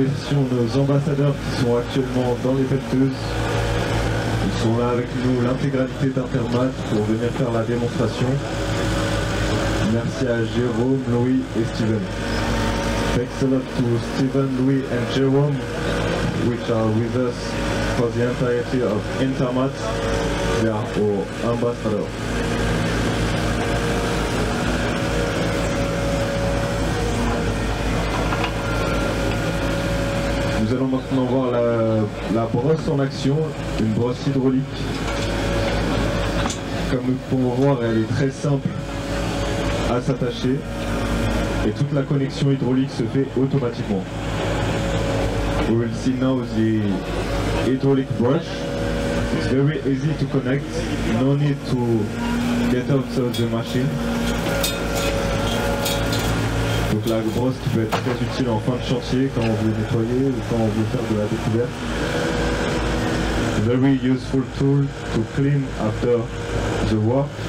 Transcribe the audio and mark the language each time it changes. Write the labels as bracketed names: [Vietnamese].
[French] Nos ambassadeurs qui sont actuellement dans les pelleteuses. Ils sont là avec nous l'intégralité d'Intermat pour venir faire la démonstration. Merci à Jérôme, Louis et Steven. [English] Thanks a lot to Steven, Louis and Jérôme, which are with us for the entirety of Intermat. They are our ambassadors. [French] Nous allons maintenant voir la brosse en action, une brosse hydraulique. Comme nous pouvons voir, elle est très simple à s'attacher et toute la connexion hydraulique se fait automatiquement. [English] We will see now the hydraulic brush. It's very easy to connect, no need to get out of the machine. [French] Donc la brosse qui peut être très utile en fin de chantier quand on veut nettoyer ou quand on veut faire de la découverte. [English] Very useful tool to clean after the work.